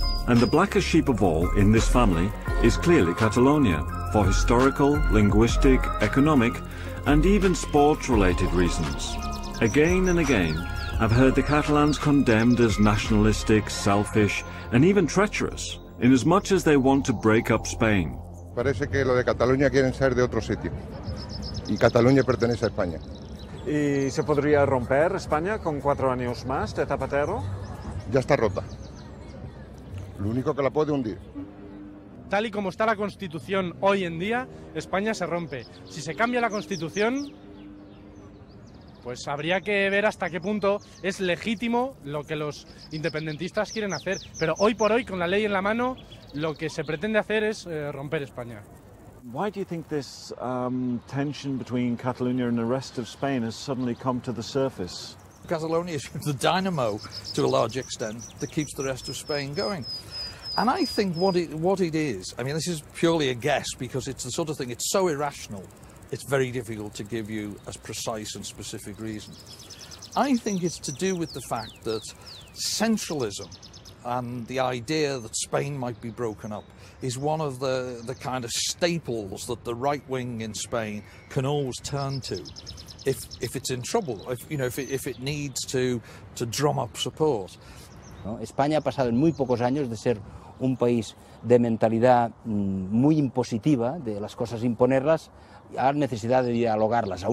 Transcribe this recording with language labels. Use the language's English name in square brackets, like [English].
[English] And the blackest sheep of all in this family is clearly Catalonia, for historical, linguistic, economic, and even sports-related reasons. Again and again, I've heard the Catalans condemned as nationalistic, selfish, and even treacherous, in as much as they want to break up Spain. [Spanish] Parece que lo de Cataluña quieren ser de otro sitio, y Cataluña pertenece a España. ¿Y se podría romper España con 4 años más de Zapatero? Ya está rota. Lo único que la puede hundir. Tal y como está la Constitución hoy en día, España se rompe. Si se cambia la Constitución, pues habría que ver hasta qué punto es legítimo lo que los independentistas quieren hacer. Pero hoy por hoy, con la ley en la mano, lo que se pretende hacer es romper España. [English] Why do you think this tension between Catalonia and the rest of Spain has suddenly come to the surface? Catalonia is the dynamo, to a large extent, that keeps the rest of Spain going. And I think what it is, I mean, this is purely a guess, because it's the sort of thing, it's so irrational, it's very difficult to give you a precise and specific reason. I think it's to do with the fact that centralism and the idea that Spain might be broken up is one of the kind of staples that the right wing in Spain can always turn to if it's in trouble, if it needs to drum up support. [Spanish] ¿No? España ha pasado en muy pocos años de ser un país de mentalidad muy impositiva, de las cosas imponerlas, a la necesidad de dialogarlas.